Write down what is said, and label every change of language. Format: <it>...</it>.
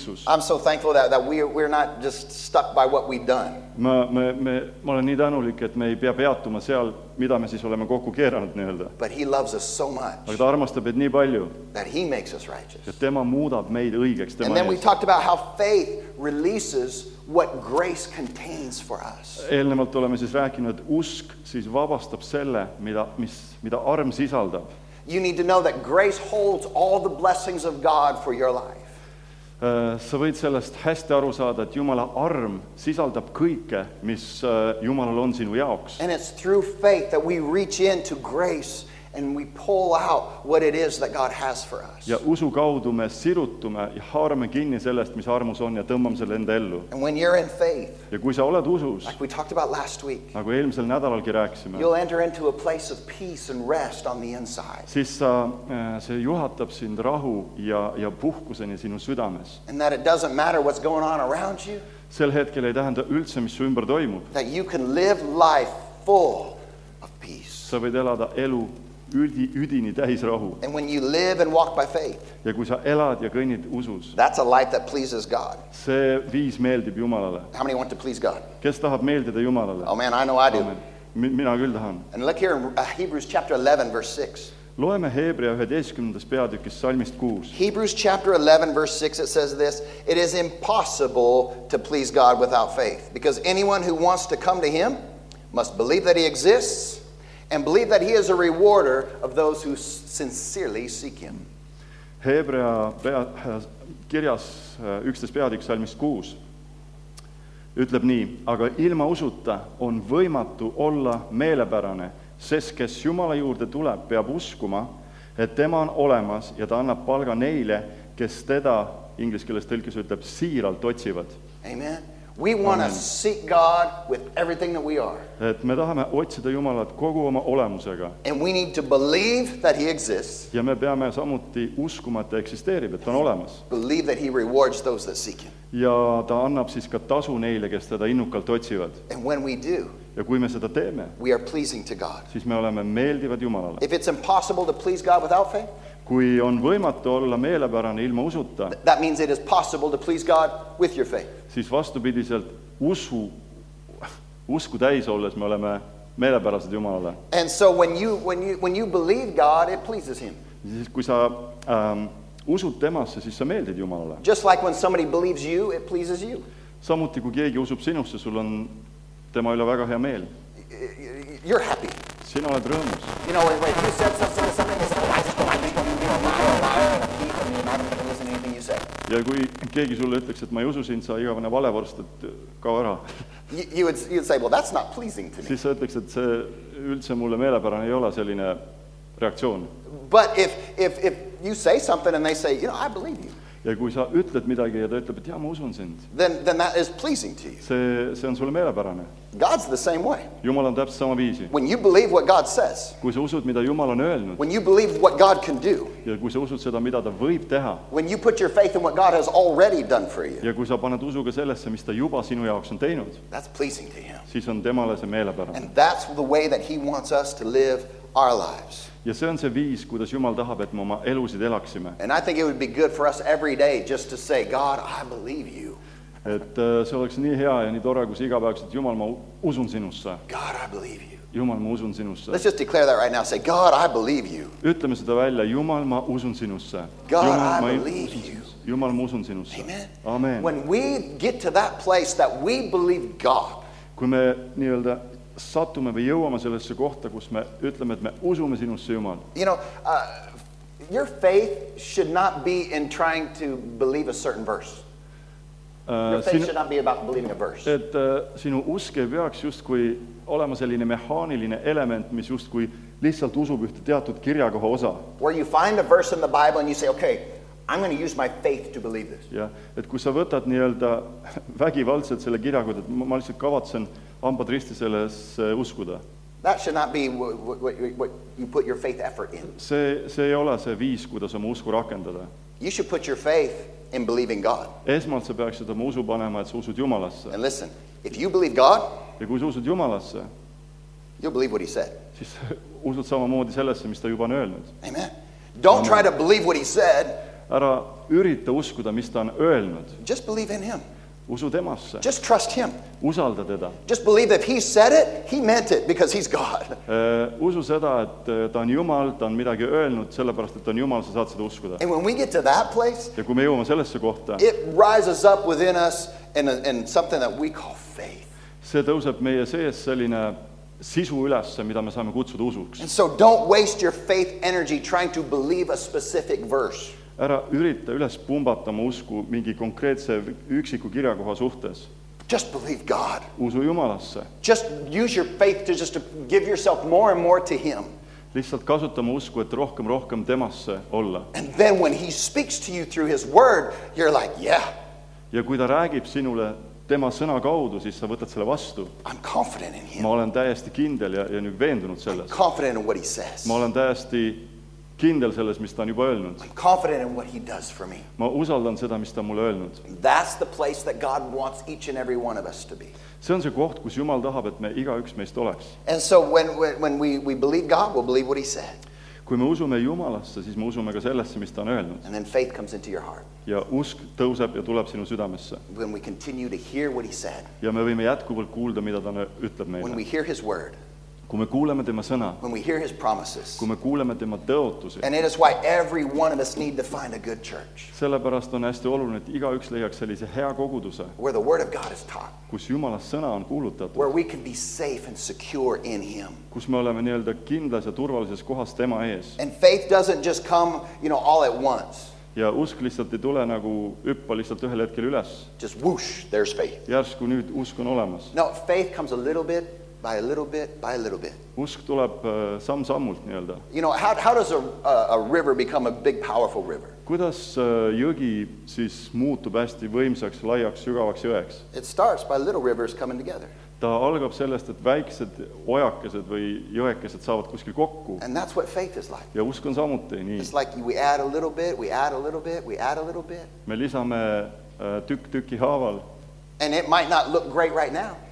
<en>I'm so thankful that we're not just stuck by what we've done.</en> <et>Ma olen nii tänulik, et me ei pea peatuma seal, mida me siis oleme kokku keeranud nii-öelda.</et> <en>But he loves us so much.</en> <et>Aga ta armastab, et nii palju.</et> <en>That he makes us righteous.</en> <et>Ja tema muudab meid õigeks.</et> <en>And then we talked about how faith releases what grace contains for us.</en> <et>Eelnevalt oleme siis rääkinud, et usk siis vabastab selle, mida arm sisaldab.</et> <en>You need to know that grace holds all the blessings of God for your life.</en> <et>Sa võid sellest hästi aru saada, et Jumala arm sisaldab kõike, mis Jumalal on sinu jaoks.</et> <en>And it's through faith that we reach into grace and we pull out what it is that God has for us.</en> <et>Ja usu kaudu me sirutume ja haarame kinni sellest, mis armus on ja tõmbame selle enda ellu.</et> <en>And when you're in faith,</en> <et>ja kui sa oled usus,</et> <en>like we talked about last week,</en> <et>nagu eelmisel nädalalgi rääkisime,</et> <en>you'll enter into a place of peace and rest on the inside.</en> <et>Siis sa, see juhatab sind rahu ja puhkuseni sinu südames.</et> <en>And that it doesn't matter what's going on around you,</en> <et>sel hetkel ei tähenda üldse, mis su ümber toimub.</et> <en>That you can live life full of peace.</en> <et>Sa võid elada elu üdini täis rahu.</et> <en>And when you live and walk by faith,</en> <et>ja kui sa elad ja kõnnid usus,</et> <en>that's a life that pleases God.</en> <et>See viis meeldib Jumalale.</et> <en>How many want to please God?</en> <et>Kes tahab meeldida Jumalale?</et> <en>Oh man, I know I do.</en> <et>Mina küll tahan.</et> <en>And look here in Hebrews chapter 11, verse 6.</en> <et>Loeme Hebrea 11. Peatükis salmist 6.</et> <en>Hebrews chapter 11, verse 6, it says this, it is impossible to please God without faith, because anyone who wants to come to Him must believe that He exists, and believe that He is a rewarder of those who sincerely seek Him.</en> <et>Hebrea kirjas 11. Peatükis salmist 6 ütleb nii, aga ilma usuta on võimatu olla meelepärane, sest kes Jumala juurde tuleb, peab uskuma, et tema on olemas ja ta annab palga neile, kes teda, ingliskeeles tõlkis ütleb, siiralt otsivad.</et> <en>Amen. We want to seek God with everything that we are.</en> <et>Et me tahame otsida Jumalat kogu oma olemusega.</et> <en>And we need to believe that He exists.</en> <et>Ja me peame samuti uskuma, et ta eksisteerib, et ta on olemas.</et> <en>Believe that He rewards those that seek Him.</en> <et>Ja ta annab siis ka tasu neile, kes teda innukalt otsivad.</et> <en>And when we do,</en> <et>ja kui me seda teeme,</et> <en>we are pleasing to God.</en> <et>Siis me oleme meeldivad Jumalale.</et> <en>If it's impossible to please God without faith,</en> <et>kui on võimatu olla meelepärane ilma usuta,</et> <en>that means it is possible to please God with your faith.</en> <et>Siis vastupidiselt usku täis olles me oleme meelepärased Jumalale.</et> <en>And so when you believe God, it pleases Him.</en> <et>Siis kui sa usud temasse, siis sa meeldid Jumalale.</et> <en>Just like when somebody believes you, it pleases you.</en> <et>Samuti kui keegi usub sinusse, sul on tema üle väga hea meel.</et> <en>You're happy.</en> <et>Sina oled rõõmus.</et> <en>You know, wait, you said something is</en> <et>ja kui keegi sulle ütleks, et ma ei usu sind, sa igavane valevorstad ka ära.</et> <en>You would say, well, that's not pleasing to me.</en> <et>Siis sa ütleks, et see üldse mulle meelepärane ei ole selline reaktsioon.</et> <en>But if you say something and they say, you know, I believe you.</en> <et>Ja kui sa ütled midagi ja ta ütleb, et jah, ma usun sind.</et> <en>Then that is pleasing to you.</en> <et>See on sulle meelepärane.</et> <en>God's the same way.</en> <et>Jumal on täpselt sama viisi.</et> <en>When you believe what God says.</en> <et>Kui sa usud, mida Jumal on öelnud.</et> <en>When you believe what God can do.</en> <et>Ja kui sa usud seda, mida ta võib teha.</et> <en>When you put your faith in what God has already done for you.</en> <et>Ja kui sa paned usuga sellesse, mis ta juba sinu jaoks on teinud.</et> <en>That's pleasing to Him.</en> <et>Siis on temale see meelepärane.</et> <en>And that's the way that He wants us to live our lives.</en> <et>Ja see on see viis, kuidas Jumal tahab, et me oma elusid elaksime.</et> <en>And I think it would be good for us every day just to say, God, I believe you.</en> <et>Et see oleks nii hea ja nii tore, kui igapäevaks, et Jumal, ma usun sinusse.</et> <en>God, I believe you.</en> <et>Jumal, ma usun sinusse.</et> <en>Let's just declare that right now. Say, God, I believe you.</en> <et>Ütleme seda välja. Jumal, ma usun sinusse.</et> <en>God,</en> <et>Jumal,</et> <en>I believe you.</en> <et>Jumal, ma usun sinusse.</et> <en>Amen. Amen. When we get to that place that we believe God.</en> <et>Kui me nii-öelda sattume või jõuame sellesse kohta, kus me ütleme, et me usume sinusse, Jumal.</et> <en>You know, your faith should not be in trying to believe a certain verse. Your faith should not be about believing a verse.</en> <et>Et sinu uske peaks just kui olema selline mehaaniline element, mis just kui lihtsalt usub ühte teatud kirjakoha osa.</et> <en>Where you find a verse in the Bible and you say, okay, I'm going to use my faith to believe this.</en> <et>Ja, et kui sa võtad nii-öelda vägivaldselt selle kirjakoha, et ma lihtsalt kavatsen ambad risti selles uskuda.</et> <en>That should not be what you put your faith effort in.</en> <et>See ei ole see viis, kuidas oma usku rakendada.</et> <en>You should put your faith in believing God.</en> <et>Esmalt sa peaksid oma usu panema, et sa usud Jumalasse.</et> <en>And listen, if you believe God,</en> <et>ja kui sa usud Jumalasse,</et> <en>you'll believe what He said.</en> <et>Siis usud samamoodi sellesse, mis ta juba on öelnud.</et> <en>Amen. Don't try to believe what He said.</en> <et>Ära ürita uskuda, mis ta on öelnud.</et> <en>Just believe in Him.</en> <et>Usu temasse.</et> <en>Just trust Him.</en> <et>Usalda teda.</et> <en>Just believe if He said it, He meant it, because He's God.</en> <et>Usu seda, et ta on Jumal, ta on midagi öelnud, sellepärast, et ta on Jumal, sa saad seda uskuda.</et> <en>And when we get to that place,</en> <et>ja kui me jõuame sellesse kohta,</et> <en>it rises up within us in something that we call faith.</en> <et>See tõuseb meie sees selline sisu ülesse, mida me saame kutsuda usuks.</et> <en>And so don't waste your faith energy trying to believe a specific verse.</en> <et>Ära ürita üles pumbata oma usku mingi konkreetse üksiku kirjakoha suhtes.</et> <en>Just believe God.</en> <et>Usu Jumalasse.</et> <en>Just use your faith to give yourself more and more to Him.</en> <et>Lihtsalt kasutama usku, et rohkem temasse olla.</et> <en>And then when he speaks to you through his word, you're like, yeah.</en> <et>Ja kui ta räägib sinule tema sõna kaudu, siis sa võtad selle vastu.</et> <en>I'm confident in him.</en> <et>Ma olen täiesti kindel ja nüüd veendunud selles.</et> <en>I'm confident in what he says.</en> <et>Ma olen täiesti kindel selles, mis ta on juba öelnud.</et> <en>I'm confident in what he does for me.</en> <et>Ma usaldan seda, mis ta mulle öelnud.</et> <en>That's the place that God wants each and every one of us to be.</en> <et>See on see koht, kus Jumal tahab, et me igaüks meist oleks.</et> <en>And so when we believe God, we'll believe what he said.</en> <et>Kui me usume Jumalasse, siis me usume ka sellesse, mis ta on öelnud.</et> <en>And then faith comes into your heart.</en> <et>Ja usk tõuseb ja tuleb sinu südamesse.</et> <en>When we continue to hear what he said.</en> <et>Ja me võime jätkuvalt kuulda, mida ta ütleb meile.</et> <en>When we hear his word.</en> <et>Kui me kuuleme tema sõna.</et> <en>When we hear his promises.</en> <et>Kui me kuuleme tema tõotusi.</et> <en>And it is why every one of us need to find a good church.</en> <et>Sellepärast on hästi oluline, et iga üks leiaks sellise hea koguduse.</et> <en>Where the word of God is taught.</en> <et>Kus Jumala sõna on kuulutatud.</et> <en>Where we can be safe and secure in him.</en> <et>Kus me oleme nii-öelda kindlas ja turvalises kohas tema ees.</et> <en>And faith doesn't just come, you know, all at once.</en> <et>Ja usk lihtsalt ei tule nagu üppa lihtsalt ühel hetkel üles.</et> <en>Just whoosh, there's faith.</en> <et>Järsku nüüd usk on olemas.</et> <en>No, faith comes a little bit. By a little bit, by a little bit.</en> <et>Usk tuleb sammult nii-öelda.</et> <en>You know, how does a river become a big, powerful river?</en> <et>Kuidas jõgi siis muutub hästi võimsaks, laiaks, sügavaks jõeks?</et> <en>It starts by little rivers coming together.</en> <et>Ta algab sellest, et väiksed ojakesed või jõekesed saavad kuskil kokku.</et> <en>And that's what faith is like.</en> <et>Ja usk on samuti, nii.</et> <en>It's like we add a little bit, we add a little bit, we add a little bit.</en> <et>Me lisame tükki haaval.</et> <en>And it might not look great right now.</en>